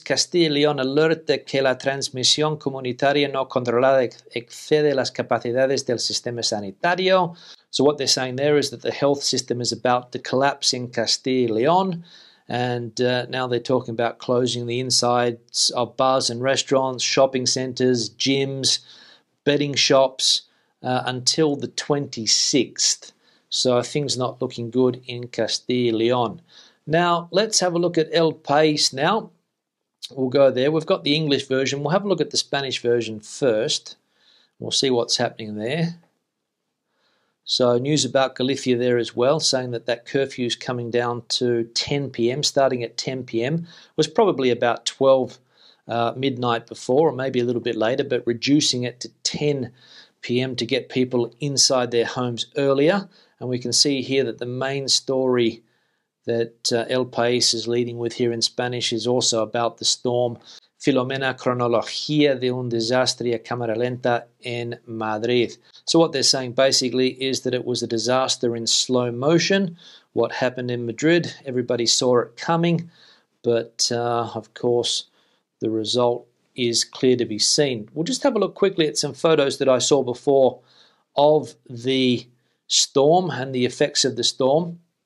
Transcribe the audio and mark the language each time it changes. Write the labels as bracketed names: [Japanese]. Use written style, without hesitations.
[Spanish] Castilla y León alerta que la transmisión comunitaria no controlada excede las capacidades del sistema sanitario. [English] So what they're saying there is that the health system is about to collapse in Castilla y León. And now they're talking about closing the insides of bars and restaurants, shopping centers, gyms, betting shops until the 26th. So things not looking good in Castilla y León. Now, let's have a look at El País now. We'll go there. We've got the English version. We'll have a look at the Spanish version first. We'll see what's happening there. So news about Galicia there as well, saying that that curfew is coming down to 10 p.m., starting at 10 p.m. It was probably about 12 midnight before, or maybe a little bit later, but reducing it to 10 p.m. to get people inside their homes earlier. And we can see here that the main story that El País is leading with here in Spanish is also about the storm. [Spanish] Filomena, cronología de un desastre a cámara lenta en Madrid. [English] So what they're saying basically is that it was a disaster in slow motion. What happened in Madrid, everybody saw it coming, but of course the result is clear to be seen. We'll just have a look quickly at some photos that I saw before of the storm and the effects of the storm.